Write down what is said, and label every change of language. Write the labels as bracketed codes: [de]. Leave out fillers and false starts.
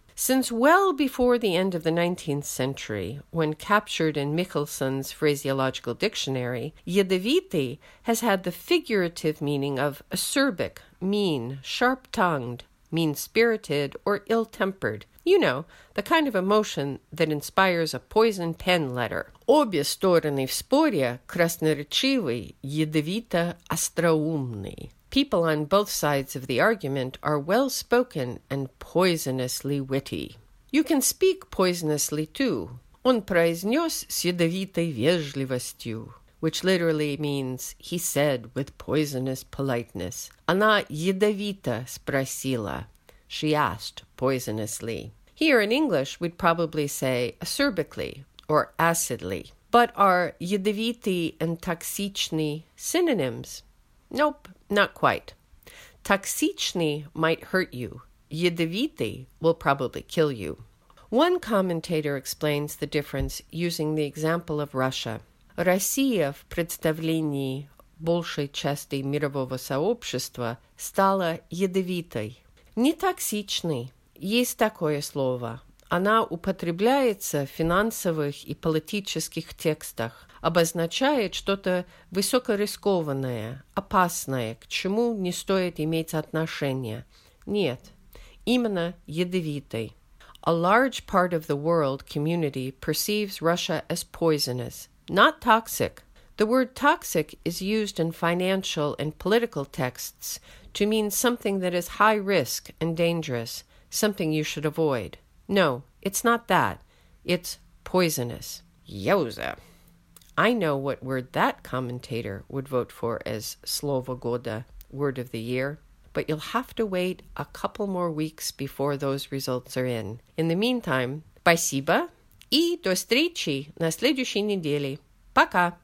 [en] Since well before the end of the 19th century, when captured in Michelson's Phraseological Dictionary, ядовитый has had the figurative meaning of acerbic, mean, sharp-tongued, mean-spirited, or ill-tempered. You know, the kind of emotion that inspires a poison pen letter. [ru] Обе стороны в споре красноречивы, ядовито остроумны. [en] People on both sides of the argument are well-spoken and poisonously witty. You can speak poisonously, too. [ru] Он произнес с ядовитой вежливостью, [en] which literally means he said with poisonous politeness. [ru] Она ядовито спросила. [en] She asked poisonously. Here in English, we'd probably say acerbically or acidly. But are ядовитый and токсичный synonyms? Nope, not quite. Токсичный might hurt you. Ядовитый will probably kill you. One commentator explains the difference using the example of Russia. [ru] Россия в представлении большей части мирового сообщества стала ядовитой. Не токсичный. Есть такое слово. Она употребляется в финансовых и политических текстах, обозначает что-то высокорискованное, опасное, к чему не стоит иметь отношения. Нет, именно ядовитой. [en] A large part of the world community perceives Russia as poisonous, not toxic. The word toxic is used in financial and political texts to mean something that is high risk and dangerous. Something you should avoid. No, it's not that. It's poisonous. Yowza. I know what word that commentator would vote for as Slovo Goda, word of the year. But you'll have to wait a couple more weeks before those results are in. In the meantime, [ru] спасибо и до встречи на следующей неделе. Пока.